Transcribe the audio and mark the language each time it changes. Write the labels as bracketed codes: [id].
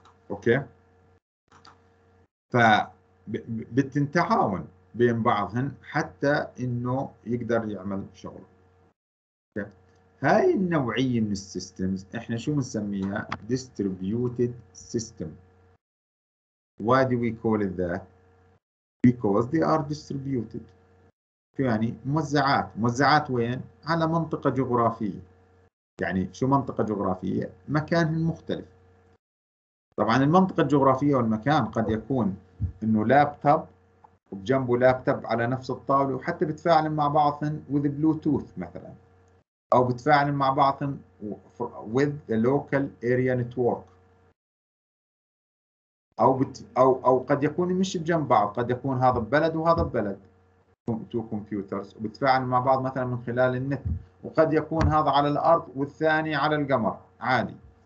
[ar] اوكي، فبتتعاون بين بعضهن حتى انه يقدر يعمل شغله. اوكي، هاي النوعيه من السيستمز احنا شو بنسميها؟ ديستريبيوتد سيستم. [en] Why do we call it that? Because they are distributed. [ar] يعني موزعات، موزعات وين؟ على منطقة جغرافية. يعني شو منطقة جغرافية؟ مكان مختلف. طبعا المنطقة الجغرافية والمكان قد يكون انه لابتوب وبجنبه لابتوب على نفس الطاولة، وحتى بتفاعل مع بعضهم [en] with Bluetooth [ar] مثلا، او بتفاعل مع بعضهم [en] with the local area network، [ar] او قد يكون مش بجنب بعض، قد يكون هذا ببلد وهذا ببلد تو كمبيوترز وبتفاعل مع بعض مثلا من خلال النت، وقد يكون هذا على الارض والثاني على القمر عادي.